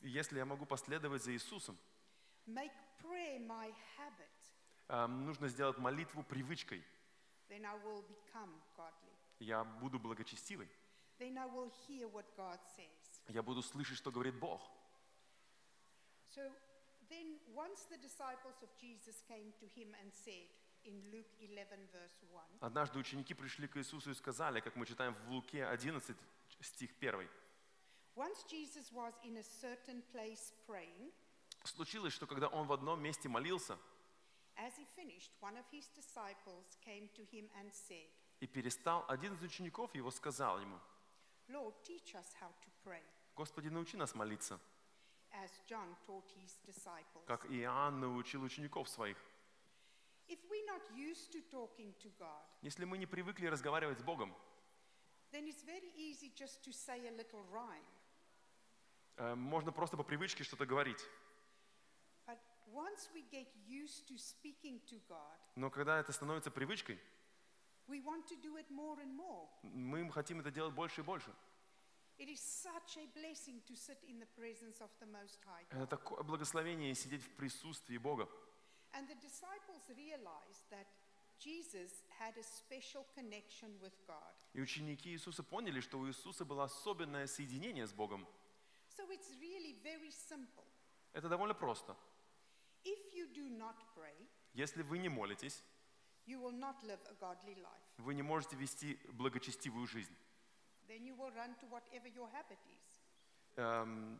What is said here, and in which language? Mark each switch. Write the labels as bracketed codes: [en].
[ru] Если я могу последовать за Иисусом. [en] Make prayer my habit. [ru] Нужно сделать молитву привычкой. [en] Then I will become godly. [ru] Я буду благочестивый. [en] Then I will hear what God says. [ru] Я буду слышать, что говорит Бог. [en] So then, once the disciples of Jesus came to him and said in Luke 11 verse 1. [ru] Однажды ученики пришли к Иисусу и сказали, как мы читаем в Луке 11 стих 1. [en] Once Jesus was in a certain place praying. [ru] Случилось, что когда он в одном месте молился, [en] as he finished, one of his disciples came to him and said, [ru] и перестал, один из учеников его сказал ему, [en] Lord, teach us how to pray, [ru] Господи, научи нас молиться, [en] as John taught his disciples. [ru] Как Иоанн научил учеников своих. [en] If we're not used to talking to God, [ru] если мы не привыкли разговаривать с Богом, [en] then it's very easy just to say a little rhyme. [ru] Можно просто по привычке что-то говорить. [en] Once we get used to speaking to God, [ru] но когда это становится привычкой, [en] we want to do it more and more. [ru] Мы хотим это делать больше и больше. [en] It is such a blessing to sit in the presence of the Most High. [ru] Это такое благословение сидеть в присутствии Бога. [en] And the disciples realized that Jesus had a special connection with God. [ru] И ученики Иисуса поняли, что у Иисуса было особенное соединение с Богом. [en] So it's really very simple. [ru] Это довольно просто. [en] If you do not pray, [ru] если вы не молитесь, [en] you will not live a godly life. [ru] Вы не можете вести благочестивую жизнь. [en] Then you will run to whatever your habit is.